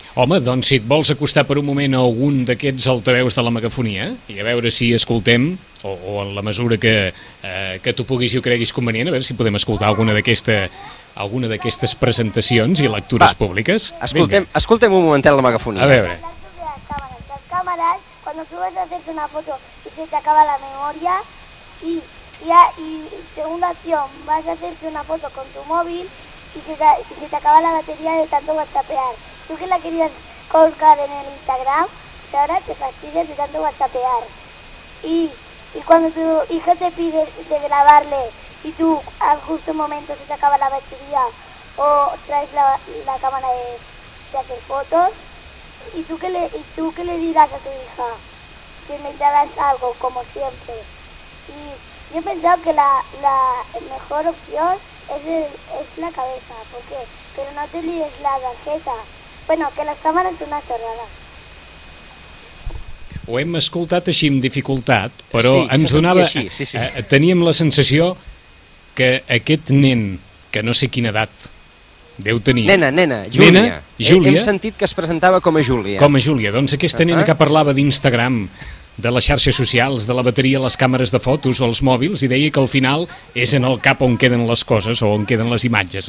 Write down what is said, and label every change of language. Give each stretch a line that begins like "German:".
Catalan: Home, doncs si et vols acostar per un moment a algun d'aquests altaveus de la megafonia, i a veure si escoltem, o en la mesura que tu puguis i ho creguis convenient, a veure si podem escoltar alguna d'aquestes presentacions i lectures públiques. Escoltem un momentet la megafonia. A veure. Les càmeres, quan els joves han fet una foto i
Spanish: se te acaba la memoria y segunda opción, vas a hacerte una foto con tu móvil y se te acaba la batería de tanto whatsappear. Tú que la querías colgar en el Instagram, ahora te fastidias de tanto whatsappear. Y cuando tu hijo te pide de grabarle y tú al justo momento se te acaba la batería o traes la cámara de hacer fotos, ¿y tú qué le dirás a tu hija? Que me darás algo, como siempre. Y yo he pensado que la mejor opción es la cabeza, porque pero no te líes la tarjeta. Bueno, que las cámaras son una chorrada.
Catalan: Ho hem escoltat així amb dificultat, però sí, ens donava... teníem la sensació que aquest nen, que no sé quina edat deu tenir... Nena, Júlia. Nena, Júlia. Hem sentit que es presentava com a Júlia. Com a Júlia. Doncs aquesta nena que parlava d'Instagram, de les xarxes socials, de la bateria, les càmeres de fotos o els mòbils, i deia que al final és en el cap on queden les coses o on queden les imatges.